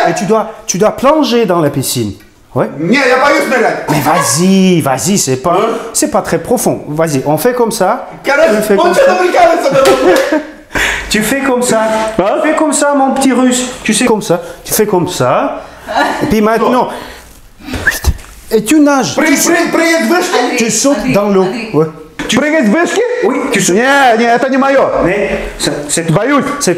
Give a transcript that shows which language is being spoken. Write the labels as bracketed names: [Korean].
[French] Et tu dois plonger dans la piscine. Ouais. [Russian] Нет, я боюсь нырять. [French] Mais vas-y, c'est pas très profond. Vas-y, on fait comme ça. [Russian] Короче, он что-то прикалывается на руку. [French] Tu fais comme ça. Hein? Fais comme ça, mon petit russe. Tu sais comme ça. Tu fais comme ça. Et puis maintenant. Et tu nages. Tu sautes dans l'eau. [Russian] Прыгать в вышке? [French] Oui, tu sautes. [Russian] Не, это не мое. [French] C'est